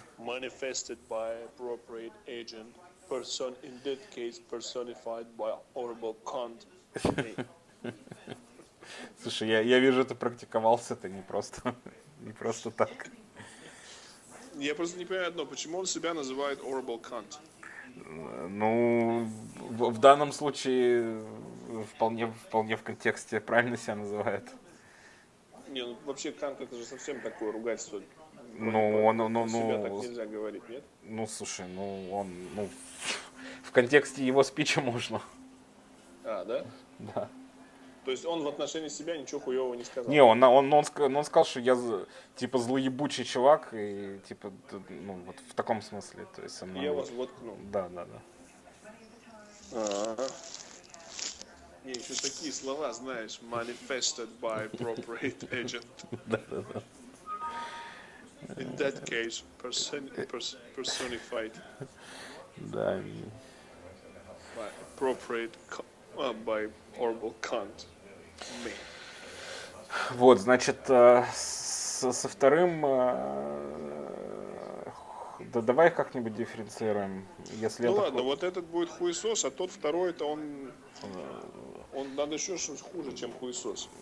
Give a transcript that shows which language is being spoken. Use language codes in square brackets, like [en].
[en] Manifested by appropriate agent, person in that case personified by horrible cunt. [ru] Слушай, я вижу, ты практиковался, ты не просто так. Я просто не понимаю одно, почему он себя называет [en] horrible cunt? [ru] Ну, в данном случае вполне в контексте правильно себя называет. Не, ну вообще кант — это же совсем такое ругательство. Ну, он, ну, себя, ну, так нельзя говорить, нет? Ну, слушай, ну он, ну, в контексте его спича можно. А, да? Да. То есть он в отношении себя ничего хуевого не сказал? Не, он сказал, что я типа злоебучий чувак, и типа, ну вот в таком смысле. То есть он, я вас воткну. Да, да, да. А-а-а. Не, еще такие слова, знаешь, [en] manifested by appropriate agent. [ru] Да, да, да. [en] In that case, personified. [ru] Да. [en] By appropriate, by horrible cunt. [ru] Вот, значит, со вторым, да давай их как-нибудь дифференцируем. Если ну это ладно, вот этот будет хуесос, а тот второй, это он, надо еще что-то хуже, чем хуесос.